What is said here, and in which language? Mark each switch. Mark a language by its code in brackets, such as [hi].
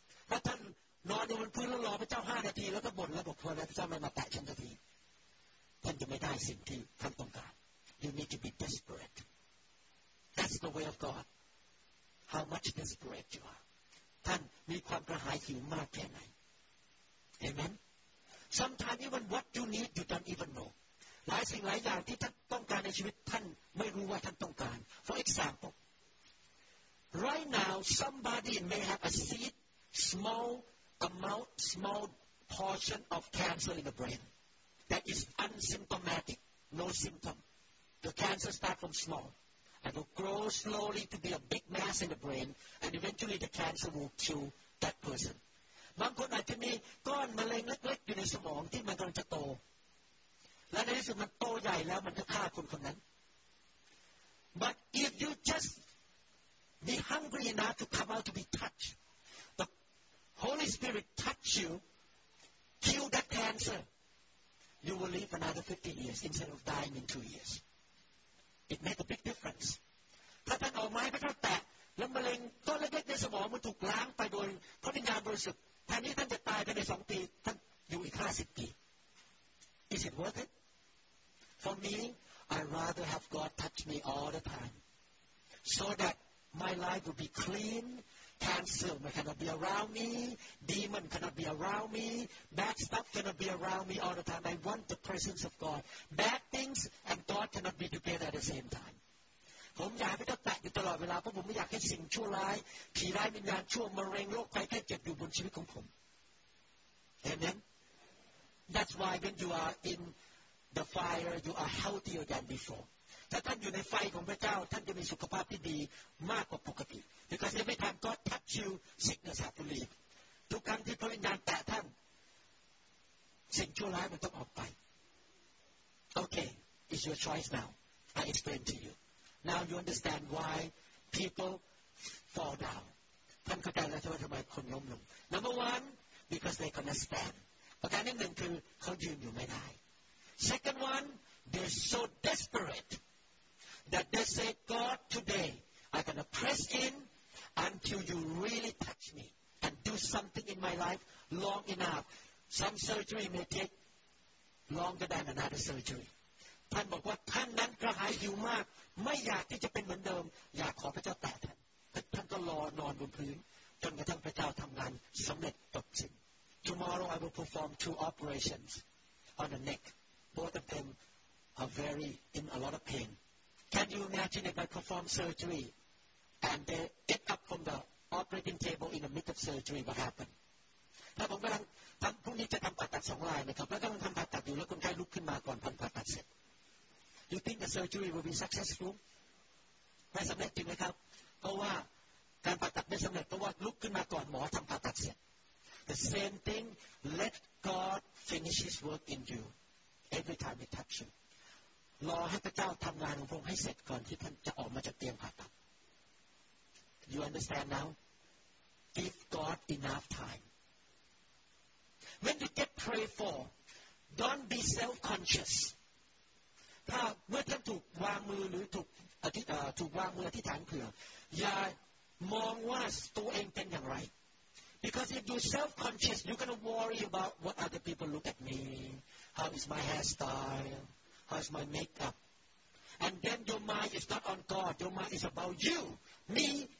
[th] ถ้าท่านนอนอยู่บนพื้นแล้วรอพระเจ้า5นาทีแล้วก็บ่นแล้วบอกว่าพระเจ้าไม่มาแตะฉันสักทีท่านจะไม่ได้สิ่งที่ท่านต้องการ [en] You need to be desperate. That's the way of God. How much desperate you are. [th] ท่านมีความกระหายหิวมากแค่ไหน [en] Amen. Sometimes even what you need you don't even know. [th] หลายสิ่งหลายอย่างที่ท่านต้องการในชีวิตท่านไม่รู้ว่าท่านต้องการ [en] For example. Right now, somebody may have a seed, small amount, small portion of cancer in the brain that is asymptomatic, no symptom. The cancer starts from small. and will grow slowly to be a big mass in the brain, and eventually the cancer will kill that person. [th] บางคนอาจจะมีก้อนมะเร็งเล็กๆอยู่ในสมองที่มันกำลังจะโตและในที่สุดมันโตใหญ่แล้วมันจะฆ่าคนคนนั้น [en] But if you just be hungry enough to come out to be touched, the Holy Spirit touch you, kill that cancer, you will live another 50 years instead of dying in 2 years. It made a big difference. [th] ถ้าท่านเอาไม้ไปแตะแล้วมะเร็งก้อนเล็กๆในสมองมันถูกล้างไปโดยพระวิญญาณบริสุทธิ์แทนที่ท่านจะตายไปใน2ปีท่านอยู่อีก50ปี [en] Is it worth it? For me, I'd rather have God touch me all the time so that my life will be clean, cancer cannot be around me, demon cannot be around me, bad stuff cannot be around me all the time. I want the presence of God. Bad things and God cannot be together at the same time. [th] ผมอยากให้เขาแตะอยู่ตลอดเวลาเพราะผมไม่อยากให้สิ่งชั่วร้ายผีร้ายวิญญาณชั่วมะเร็งโรคภัยแค่เจ็บอยู่บนชีวิตของผม เห็นไหม [en] That's why when you are in the fire you are healthier than before [th] ถ้าท่านอยู่ในไฟของพระเจ้าท่านจะมีสุขภาพที่ดีมากกว่าปกติ [en] Because every time God touch you sickness has to leave [th] ทุกครั้งที่พระวิญญาณแตะท่านสิ่งชั่วร้ายมันต้องออกไป [en] Okay it's your choice now I explain to youNow you understand why people fall down. [th] ท่านเข้าใจแล้วว่าทำไมคนล้มลง [en] Number one, because they cannot stand. [th] ประการที่หนึ่งคือเขายืนอยู่ไม่ได้ [en] Second one, they're so desperate that they say, God, today, I'm going to press in until you really touch me and do something in my life long enough. Some surgery may take longer than another surgery. [th] ท่านบอกว่าท่านนั้นกระหายหิวมากไม่อยากที่จะเป็นเหมือนเดิมอยากขอพระเจ้าแตะท่านท่านก็รอนอนบนพื้นจนกระทั่งพระเจ้าทำงานสำเร็จจบสิ้น [en] Tomorrow I will perform 2 operations on the neck. Both of them are very in a lot of pain. Can you imagine if I perform surgery and they get up from the operating table in the midst of surgery? What happened? [th] ถ้าผมกำลังทำพรุ่งนี้จะทำผ่าตัด2 รายนะครับแล้วกำลังทำผ่าตัดอยู่แล้วคนไข้ลุกขึ้นมาก่อนผ่าตัดเสร็จ [en] You think the surgery will be successful? [th] ไม่สำเร็จจริงไหมครับเพราะว่าการผ่าตัดไม่สำเร็จเพราะว่าลุกขึ้นมาก่อนหมอทำผ่าตัดเสร็จ [en] The same thing, let God finish His work in you every time He touches you. [th] รอให้พระเจ้าทำงานของพระองค์ให้เสร็จก่อนที่ท่านจะออกมาจากเตียงผ่าตัด [en] You understand now? Give God enough time. When you get prayed for, don't be self-conscious. [th] ถ้าเมื่อท่านถูกวางมือหรือถูกวางมืออธิษฐานเผื่ออย่ามองว่าตัวเองเป็นอย่างไร [en] because if you self conscious you're gonna worry about what other people look at me how is my hairstyle how is my makeup and then your mind is not on God your mind is about you me